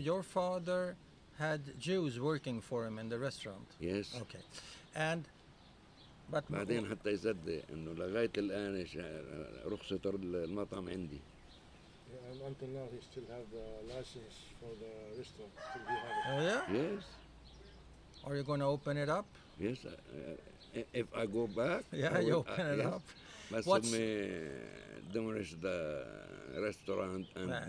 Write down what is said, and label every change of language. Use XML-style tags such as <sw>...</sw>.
<en>Your father had Jews working for him in the restaurant? Yes. Okay. And but</en> <ar>بعدين حتى يصدق انه لغاية الآن رخصة المطعم عندي.</ar> <en>And until now, he still have the license for the restaurant. Still he have it. Oh, yeah? Yes. Are you going to open it up? Yes. If I go back... Yeah, I you will, open it yes. up. But what's me demolish the restaurant and right.</en>